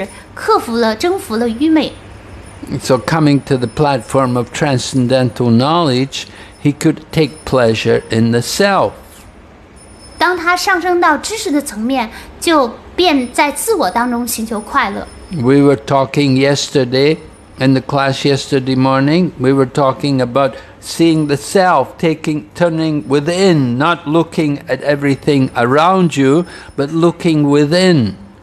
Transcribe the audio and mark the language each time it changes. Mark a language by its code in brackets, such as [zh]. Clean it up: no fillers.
[zh] 国王如何是以超然知识克服了征服了愚昧。 [en] So coming to the platform of transcendental knowledge, he could take pleasure in the self. [zh] 当他上升到知识的层面，就便在自我当中寻求快乐。 [en] We were talking yesterday, in the class yesterday morning, we were talking about seeing the self, turning within, not looking at everything around you, but looking within.